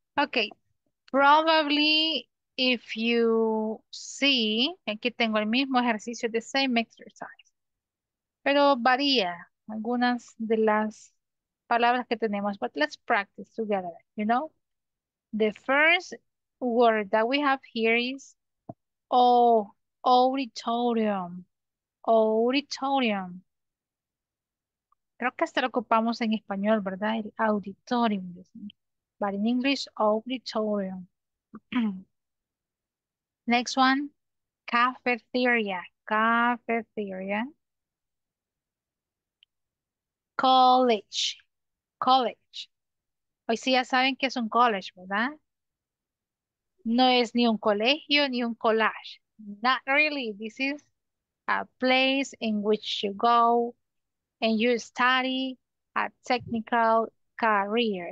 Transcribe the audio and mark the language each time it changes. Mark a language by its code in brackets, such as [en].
[en] Okay, probably if you see, [es] aquí tengo el mismo ejercicio, [en] the same exercise, [es] pero varía algunas de las palabras que tenemos, [en] but let's practice together, you know? The first word that we have here is auditorium, auditorium. [es] Creo que hasta lo ocupamos en español, ¿verdad? [en] El auditorium. But in English, auditorium. Next one, cafeteria. Cafeteria. College. College. [es] Hoy sí ya saben que es un college, ¿verdad? No es ni un colegio ni un collage. [en] Not really. This is a place in which you go and you study a technical career.